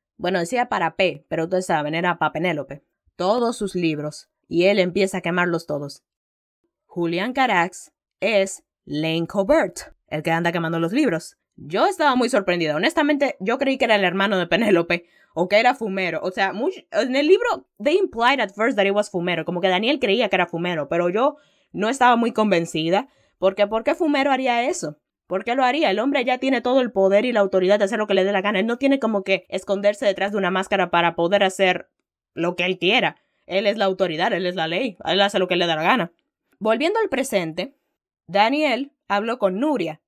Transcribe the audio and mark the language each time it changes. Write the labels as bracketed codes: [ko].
[es] Bueno, decía para P, pero ustedes saben, era para Penélope. Todos sus libros. Y él empieza a quemarlos todos. Julián Carax es Lane Covert, el que anda quemando los libros. Yo estaba muy sorprendida. Honestamente, yo creí que era el hermano de Penélope o que era fumero. O sea, en el libro, [en] they implied at first that he was fumero. [es] Como que Daniel creía que era fumero, pero yo no estaba muy convencida. Porque ¿por qué fumero haría eso? ¿Por qué lo haría? El hombre ya tiene todo el poder y la autoridad de hacer lo que le dé la gana. Él no tiene como que esconderse detrás de una máscara para poder hacer lo que él quiera. Él es la autoridad, él es la ley. Él hace lo que le da la gana. Volviendo al presente, Daniel habló con Nuria.